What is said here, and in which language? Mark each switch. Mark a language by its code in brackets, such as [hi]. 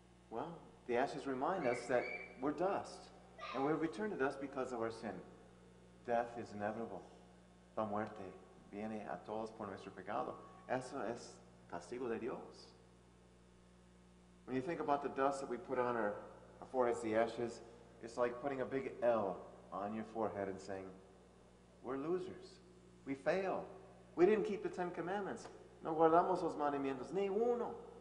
[en] Well, the ashes remind us that we're dust, and we're returned to dust because of our sin. Death is inevitable. [es] La muerte viene a todos por nuestro pecado. Eso es castigo de Dios. [en] When you think about the dust that we put on our foreheads, the ashes, it's like putting a big L on your forehead and saying, we're losers. We failed. We didn't keep the Ten Commandments. [es] No guardamos los mandamientos. Ni uno.